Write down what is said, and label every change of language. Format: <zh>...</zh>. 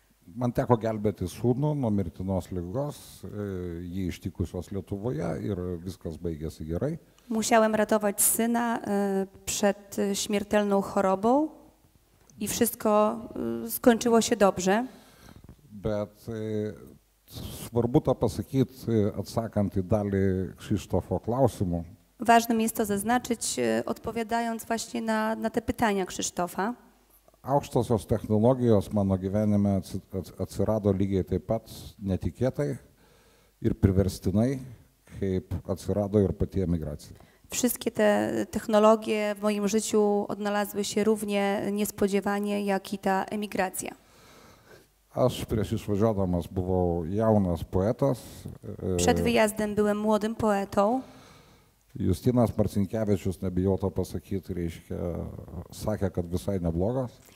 <lt>Man teko gelbėti sūnų nuo mirtinos ligos, jį ištikusios Lietuvoje ir viskas baigėsi gerai.</lt> <pl>Musiałem ratować syna przed śmiertelną chorobą i wszystko skończyło się dobrze.</pl> <lt>Bet svarbu to pasakyt, atsakant į dalį Krzysztofo klausimų.</lt> <pl>Ważne jest to zaznaczyć, odpowiadając właśnie na te pytania Krzysztofa.</pl> <lt>Aukštosios technologijos mano gyvenime atsirado lygiai taip pat netikėtai ir priverstinai, kaip atsirado ir pati emigracija.</lt> <pl>Wszystkie te technologie w moim życiu odnalazły się równie niespodziewanie, jak i ta emigracja.</pl> <lt>Aš prieš išvažiuodamas buvau jaunas poetas.</lt> <pl>Przed wyjazdem byłem młodym poetą.</pl> <lt>Justinas Marcinkevičius, nebijau to pasakyti, reiškia, sakė, kad visai neblogas.</lt>